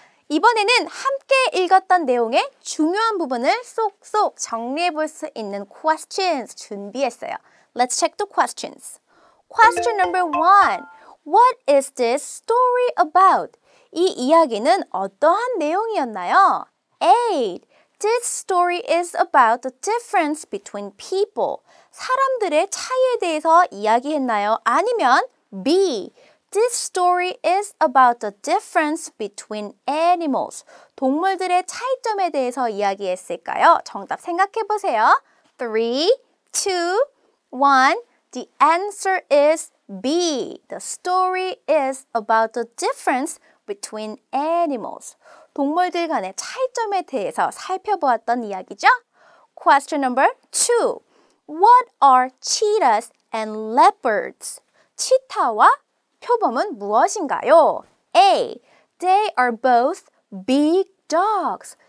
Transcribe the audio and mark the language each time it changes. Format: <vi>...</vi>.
<ko>이번에는 함께 읽었던 내용의 중요한 부분을 쏙쏙 정리해 볼 수 있는 questions 준비했어요.</ko> <en>Let's check the questions. Question number one. What is this story about?</en> <ko>이 이야기는 어떠한 내용이었나요?</ko> <en>A. This story is about the difference between people.</en> <ko>사람들의 차이에 대해서 이야기했나요? 아니면 B.</ko> <en>This story is about the difference between animals.</en> <ko>동물들의 차이점에 대해서 이야기했을까요? 정답 생각해 보세요. 3, 2, 1.</ko> <en>The answer is B. The story is about the difference between animals.</en> <ko>동물들 간의 차이점에 대해서 살펴보았던 이야기죠.</ko> <en>Question number 2. What are cheetahs and leopards?</en> <ko>치타와 표범은 무엇인가요?</ko> <en>A. They are both big dogs.</en>